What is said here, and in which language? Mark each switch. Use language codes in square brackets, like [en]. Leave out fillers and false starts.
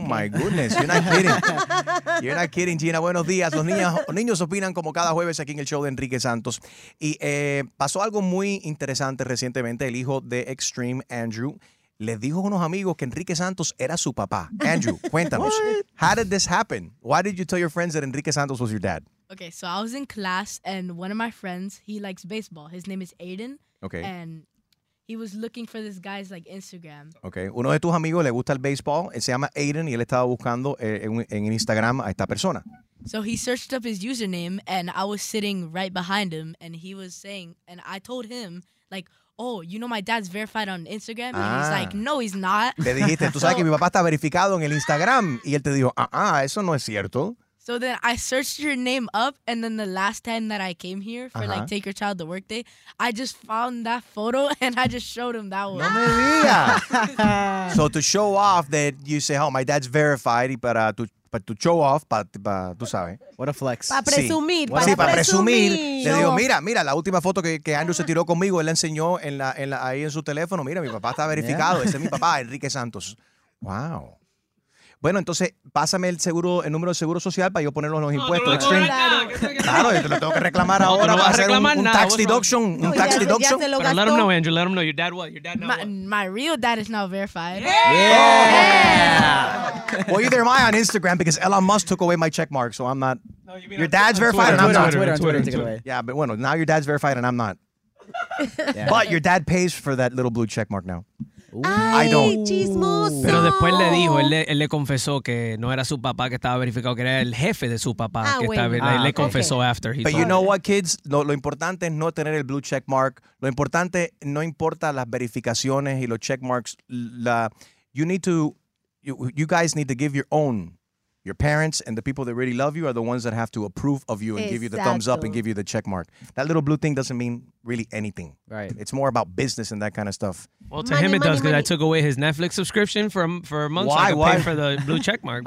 [en] Oh, my goodness. You're not kidding. You're not kidding, Gina. [es] Buenos días. Los niños opinan como cada jueves aquí en el show de Enrique Santos. Y pasó algo muy interesante recientemente. El hijo de Extreme, Andrew, les dijo a unos amigos que Enrique Santos era su papá. [en] Andrew, [es] cuéntanos. [en] How did this happen? Why did you tell your friends that Enrique Santos was your dad? Okay, so I was in class and one of my friends, he likes baseball. His name is Aiden. Okay. And he was looking for this guy's like Instagram. Okay. [es] Uno de tus amigos le gusta el baseball. Él se llama Aiden y él estaba buscando en Instagram a esta persona. [en] So he searched up his username and I was sitting right behind him and he was saying, and I told him like, oh, you know my dad's verified on Instagram? And he's like, no, he's not. [es] Le dijiste, tú sabes que mi papá está verificado en el Instagram. Y él te dijo, eso no es cierto. [en] So then I searched your name up, and then the last time that I came here for, like, Take Your Child to Work Day, I just found that photo, and I just showed him that one. [es] No me diga. [en] So to show off that you say, oh, my dad's verified, [es] y para tu... [en] But to show off, [es] tú sabes. [en] What a flex. [es] Para presumir, sí. para presumir. Le digo, mira, la última foto que Andrew se tiró conmigo, él la enseñó en la ahí en su teléfono. Mira, mi papá está verificado. Yeah. Ese es mi papá, Enrique Santos. Wow. Bueno, entonces, pásame el número de seguro social para yo ponerlo en los impuestos. Claro, yo te lo tengo que reclamar ahora. No, va a ser un [en] tax deduction. But let him know, Andrew. Let him know. Your dad, what? My real dad is now verified. Yeah! Well, either am I on Instagram because Elon Musk took away my check mark, so I'm not. No, you mean your dad's verified Twitter, and I'm not. Twitter. Yeah, but [es] bueno, [en] now your dad's verified and I'm not. Yeah. But your dad pays for that little blue check mark now. Ay, I don't. Chismoso. [es] Pero después le dijo, él le confesó que no era su papá que estaba verificado, que era el jefe de su papá confesó after. [en] But you know what, kids? [es] Lo importante es no tener el blue check mark. Lo importante, no importa las verificaciones y los check marks. [en] You guys need to give your own. Your parents and the people that really love you are the ones that have to approve of you and give you the thumbs up and give you the check mark. That little blue thing doesn't mean really anything. Right. It's more about business and that kind of stuff. Well, to him it does because I took away his Netflix subscription for a month. Why? So I could pay for the blue check mark.